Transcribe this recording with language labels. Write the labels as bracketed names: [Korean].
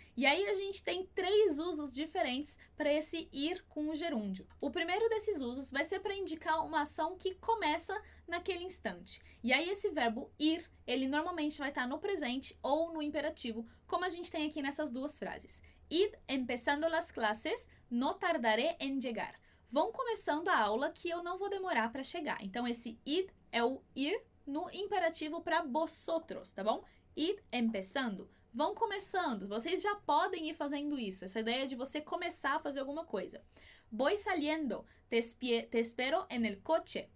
[Portuguese] E aí a gente tem 3 usos diferentes para esse ir com o gerúndio. O primeiro desses usos vai ser para indicar uma ação que começa naquele instante. E aí esse verbo ir, ele normalmente vai estar no presente ou no imperativo, como a gente tem aqui nessas duas frases. [Spanish] Id empezando las clases, no tardaré en llegar. [Portuguese] Vão começando a aula que eu não vou demorar para chegar. Então esse id é o ir no imperativo para vosotros, tá bom? [Spanish] Id empezando. [Portuguese] Vão começando. Vocês já podem ir fazendo isso. Essa ideia de você começar a fazer alguma coisa. [Spanish] Voy saliendo. Te espero en el coche.